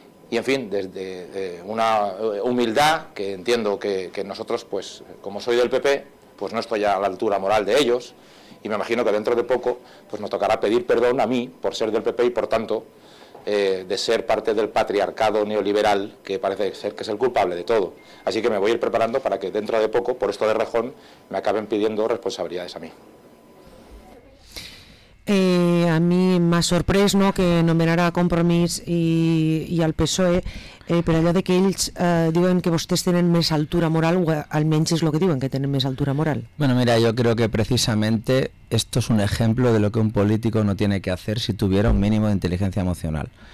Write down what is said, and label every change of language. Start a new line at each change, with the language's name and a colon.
Spanish: y en fin, desde una humildad que entiendo que nosotros, pues como soy del PP, pues no estoy a la altura moral de ellos, y me imagino que dentro de poco pues me tocará pedir perdón a mí por ser del PP y por tanto de ser parte del patriarcado neoliberal que parece ser que es el culpable de todo. Así que me voy a ir preparando para que dentro de poco, por esto de Errejón, me acaben pidiendo responsabilidades a mí. A mí más sorpresa, ¿no?, que nombrara a Compromís y al PSOE, pero allá de que
Catalan: ells diuen que vostès tenen més altura moral, o almenys és lo que diuen, que tenen més altura moral.
Spanish: Bueno, mira, yo creo que precisamente esto es un ejemplo de lo que un político no tiene que hacer si tuviera un mínimo de inteligencia emocional.